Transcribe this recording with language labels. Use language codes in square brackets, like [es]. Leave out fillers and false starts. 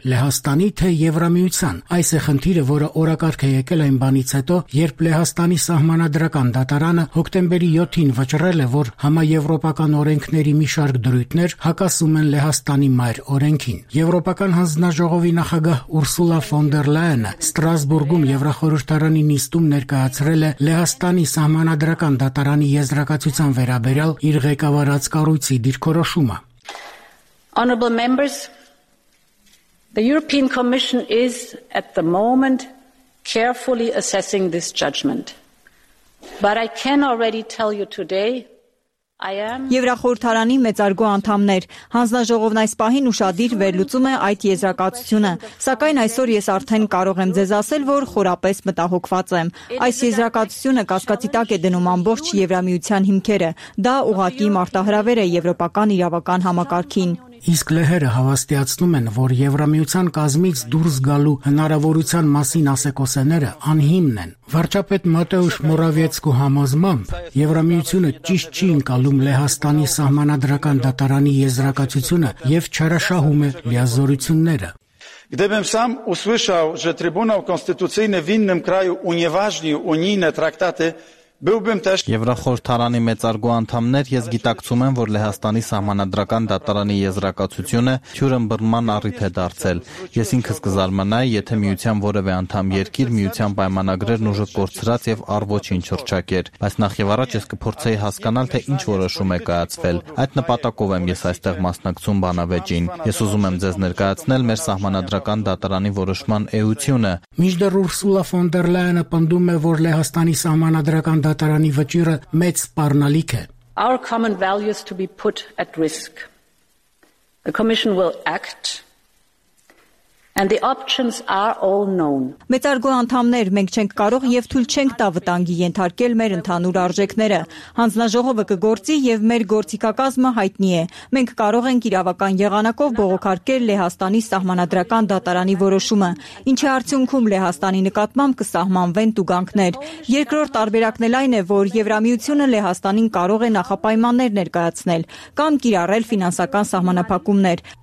[hy] Լեհաստանի թե Եվրամիության, այս է խնդիրը, որը օրակարգ է եկել այն բանից հետո, երբ Լեհաստանի սահմանադրական դատարանը հոկտեմբերի 7-ին վճռել է, որ համաեվրոպական օրենքների մի շարք դրույթներ հակասում են Լեհաստանի մայր օրենքին։ Եվրոպական հանձնաժողովի նախագահ Ուրսուլա ֆոն դեր Լայենը Ստրասբուրգում Եվրախորհրդարանի նիստում ներկայացրել է Լեհաստանի սահմանադրական դատարանի եզրակացության վերաբերյալ իր ղեկավարած կառույցի դիրքորոշումը։ [en] Honorable members, the European Commission is at the moment carefully assessing this judgment. But I can already tell you today, [hy] Եվրախորհրդարանի մեծարգու անդամներ, հանձնաժողովն այս պահին ուշադիր վերլուծում է այդ եզրակացությունը, սակայն այսօր ես արդեն կարող եմ ձեզ ասել, որ խորապես մտահոգված եմ։ Այս եզրակացությունը կասկածի տակ է դնում ամբողջ Եվրամիության հիմքերը, դա ուղղակի մարտահրավեր է եվրոպական իրավական համակարգին։ Իսկ լեհերը հավաստիացնում են, որ Եվրամիության կազմից դուրս գալու հնարավորության մասին ասեկոսեները անհիմն են։ Վարչապետ Մատեուշ Մորավիեցկու համոզմամբ Եվրամիությունը ճիշտ չի ընկալում Լեհաստանի սահմանադրական դատարանի եզրակացությունը և չարաշահում է լիազորությունները։ [pl] Gdybym sam usłyszał, że Trybunał Konstytucyjny w innym kraju unieważnił unijne traktaty, [hy] Եվրախորհրդարանի մեծարգու անդամներ, ես գիտակցում եմ, որ Լեհաստանի սահմանադրական դատարանի եզրակացությունը հյուրընբռնման առիթ է դարձել։ Ես ինքս կզարմանայի, եթե միության որևէ անդամ երկիր միության պայմանագրերն ուժը կորցրած եւ առվոչին չրճակեր, բայց նախևառաջ ես կփորձեի հասկանալ, թե ինչ որոշում է կայացվել։ Այդ նպատակով եմ ես այստեղ մասնակցում բանավեճին։ Ես ուզում եմ ձեզ ներկայացնել մեր սահմանադրական դատարանի որոշման էությունը։ Միջդեռ Ուրսուլա ֆոն դեր Լայենը պնդում է, որ Լեհաստանի սահմանադրական դատարանի վճիրը մեծ սպառնալիք է. [en] Our common values to be put at risk. The commission will act and the options are all known. [hy] Մեծարգո անդամներ, մենք չենք կարող եւ թույլ չենք տա վտանգի ենթարկել մեր ընդհանուր արժեքները։ Հանձնաժողովը կգործի եւ մեր գործիքակազմը հայտնի է։ Մենք կարող ենք իրավական եղանակով բողոքարկել Լեհաստանի սահմանադրական դատարանի որոշումը, ինչի արդյունքում Լեհաստանի նկատմամբ կսահմանվեն տուգանքներ։ Երկրորդ տարբերակն էլ այն է, որ Եվրամիությունը Լեհաստանին կարող է նախապայմաններ ներկայացնել կամ կիրառել ֆինանսական սահմանափակումներ։